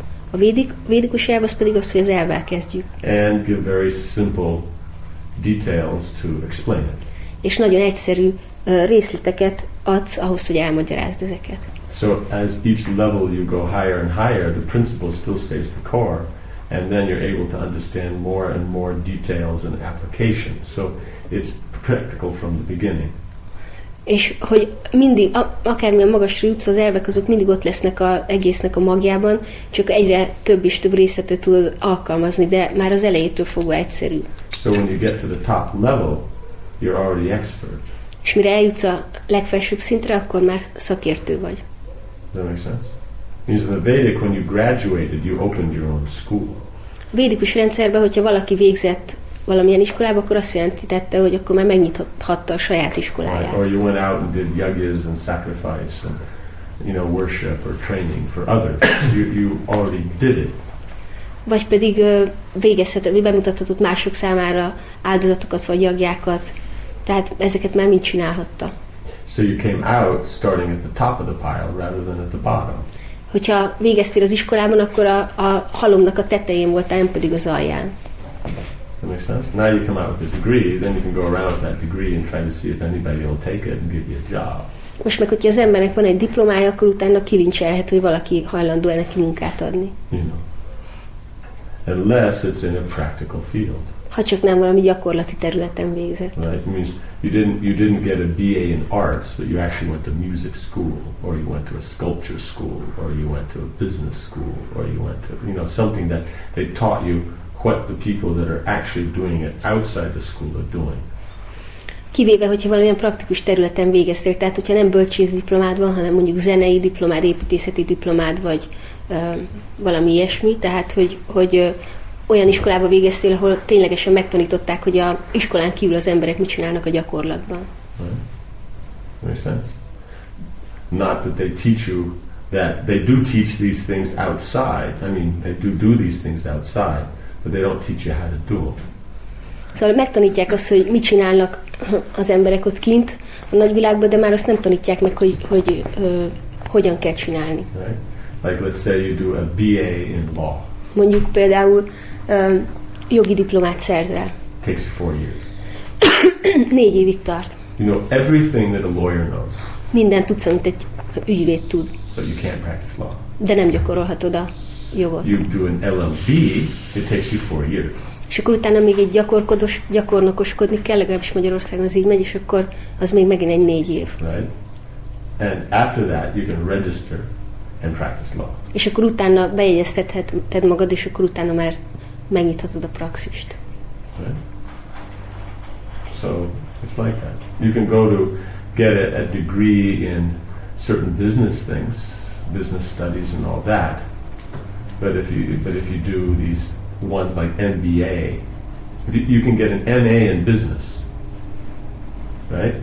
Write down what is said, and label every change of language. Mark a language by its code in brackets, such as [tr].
[hu] A védikus elv az pedig az, hogy az elvvel kezdjük. [en] And give very simple details to explain it. [hu] És nagyon egyszerű részleteket adsz ahhoz, hogy elmagyarázd ezeket. [en] So as each level you go higher and higher, the principle still stays the core, and then you're able to understand more and more details and application. So it's practical from the beginning. [hu] És hogy mindig, akármilyen magasra jutsz, az elvek azok mindig ott lesznek az egésznek a magjában, csak egyre több és több részletet tudod alkalmazni, de már az elejétől fogva egyszerű. [en] So when you get to the top level, you're already expert. [hu] És mire eljutsz a legfelsőbb szintre, akkor már szakértő vagy. [en] Does that make sense? Means in the Vedic, when you graduated, you opened your own school. [hu] A védikus rendszerben, hogyha valaki végzett valamilyen iskolába, akkor azt jelentette, hogy akkor már megnyithatta a saját iskoláját. [en] Right. Or you went out and did yagyas and sacrifice and, you know, worship or training for others. You already did it. [hu] Vagy pedig végezhetett, bemutathatott mások számára áldozatokat vagy yagyákat. Tehát ezeket már mind csinálhatta. [en] So you came out starting at the top of the pile rather than at the bottom. [hu] Hogyha végeztél az iskolában, akkor a halomnak a tetején voltál, nem pedig az alján. [en] Makes sense. Now you come out with a degree, then you can go around with that degree and try to see if anybody will take it and give you a job. [hu] Most meg, hogyha az embernek van egy diplomája, akkor utána kilincselhet, hogy valaki hajlandó neki munkát adni. [en] Unless it's in a practical field. [hu] Ha csak nem valami gyakorlati területen végzett. [en] Right. It means you didn't get a BA in arts, but you actually went to music school, or you went to a sculpture school, or you went to a business school, or you went to, you know, something that they taught you what the people that are actually doing it outside the school are doing. [hu] Kivéve, hogyha valamilyen praktikus területen végeztél, tehát hogyha nem bölcsész diplomád van, hanem mondjuk zenei diplomád, építészeti diplomád, vagy valami ilyesmi, tehát hogy olyan iskolába végeztél, ahol ténylegesen megtanították, hogy a iskolán kívül az emberek mit csinálnak a gyakorlatban. [en] Right. Makes sense. Not that they teach you that they do teach these things outside. I mean, they do these things outside, but they don't teach you how to do it. [hu] Szóval megtanítják azt, hogy mit csinálnak az emberek ott kint a nagyvilágban, de már azt nem tanítják meg, hogy hogyan kell csinálni. [en] Right. Like let's say you do a BA in law. [hu] Mondjuk például jogi diplomát szerzel. [en] Takes 4 years. [hu] 4 évig tart. [en] You know everything that a lawyer knows. [hu] Minden tudsz, amit egy ügyvéd tud. [en] But you can't practice law. [hu] De nem gyakorolhatod a jogot. [en] You do an LLB, it takes you 4 years. [hu] És akkor utána még egy gyakornokoskodni kell, legalábbis Magyarországon az így megy, és akkor az még megint egy 4 év. [en] Right. And after that you can register and practice law. [hu] És akkor utána bejegyeztetheted magad, és akkor utána már megnyithatod a praxist. [en] Right. So, it's like that. You can go to get a degree in certain business things, business studies and all that. But if you do these ones like MBA, you can get an MA in business. Right?